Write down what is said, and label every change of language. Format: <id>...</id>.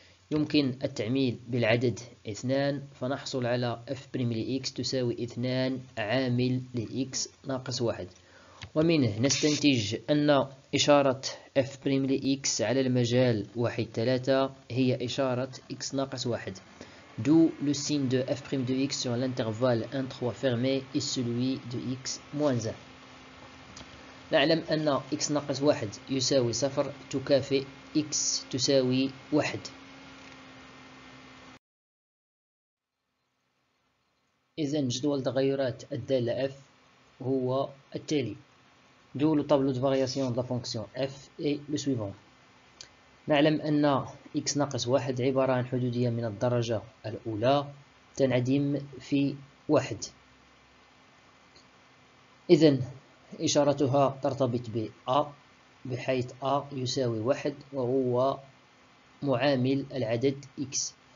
<ar>يمكن التعميل بالعدد 2، فنحصل على f بريم ل x تساوي 2 عامل ل x ناقص 1. ومنه نستنتج أن إشارة f بريم لـ x على المجال 1 3 هي إشارة x ناقص 1،</ar> <fr>D'où le signe de f' de x sur l'intervalle 1, 3 fermé et celui de x moins 1.</fr> <ar>نعلم أن x ناقص 1 يساوي 0 تكافئ x تساوي 1. إذن جدول تغيرات الدالة f هو التالي.</ar> <fr>D'où le tableau de variation de la fonction f est le suivant.</fr> <ar>نعلم أن x ناقص 1 عبارة عن حدودية من الدرجة الأولى تنعدم في 1. إذن إشارتها ترتبط ب A بحيث A يساوي 1 وهو معامل العدد x.</ar>